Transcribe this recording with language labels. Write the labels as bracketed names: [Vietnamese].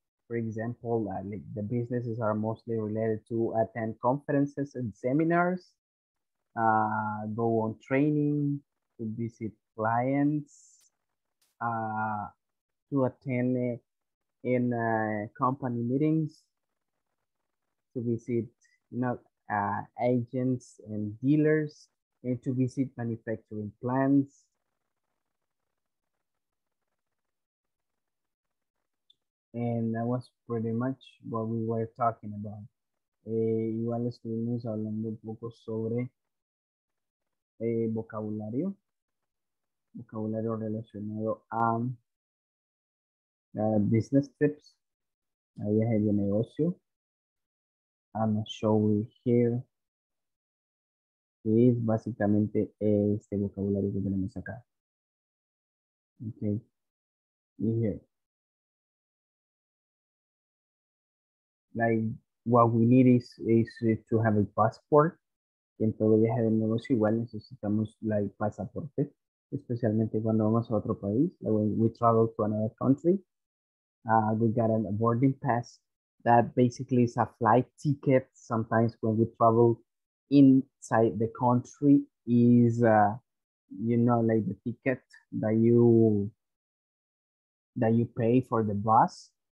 [English] For example, like the businesses are mostly related to attend conferences and seminars, go on training, to visit clients, to attend in company meetings, to visit, agents and dealers, and to visit manufacturing plants. And that was pretty much what we were talking about. [Spanish] Igual estuvimos hablando un poco sobre vocabulario relacionado a business trips, a viaje de negocio. I'm showing here. Es básicamente este vocabulario que tenemos acá. Okay. In here. [English] Like what we need is to have a passport. [Spanish] Y en todo viaje de negocio igual necesitamos like pasaporte, especialmente cuando vamos a otro país. [English] Like when we travel to another country, we got a boarding pass that basically is a flight ticket. Sometimes when we travel inside the country is, like the ticket that you pay for the bus.